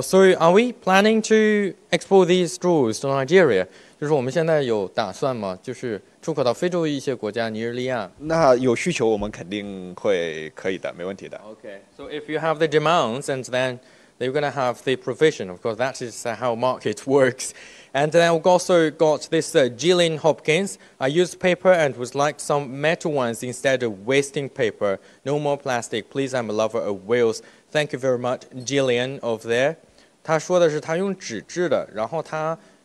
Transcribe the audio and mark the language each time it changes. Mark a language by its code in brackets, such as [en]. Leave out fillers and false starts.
[en] So are we planning to export these straws to Nigeria? [zh] 就是我们现在有打算吗？就是出口到非洲一些国家，尼日利亚。那有需求，我们肯定会可以的，没问题的。Okay, [en] so if you have the demands, and then they're going to have the provision. Of course, that is how market works. And then we've also got this Jillian Hopkins. I used paper and would like some metal ones instead of wasting paper. No more plastic, please. I'm a lover of whales. Thank you very much, Jillian, over there. [zh] 他说的是他用纸质的，然后他。